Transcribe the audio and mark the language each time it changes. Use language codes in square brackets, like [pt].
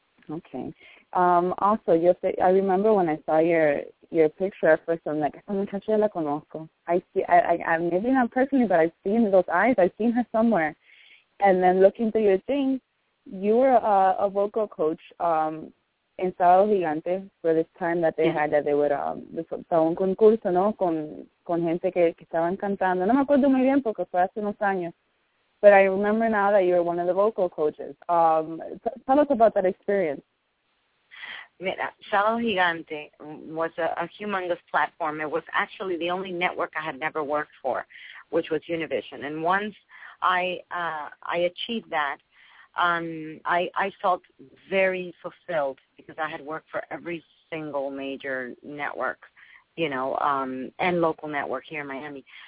[en] Okay. Also, I remember when I saw your picture at first, I'm like, [es] esta muchacha la conozco. [en] I maybe not personally, but I've seen those eyes. I've seen her somewhere. And then looking through your thing, you were a vocal coach in Sábado Gigante for this time that they had, that they would, the [es] un concurso, ¿no? Con con gente que estaban cantando. No me acuerdo muy bien porque fue hace unos años. [en] But I remember now that you were one of the vocal coaches. Tell us about that experience. Mira, Salo Gigante was a humongous platform. It was actually the only network I had never worked for, which was Univision. And once I achieved that, I felt very fulfilled because I had worked for every single major network, you know, and local network here in Miami.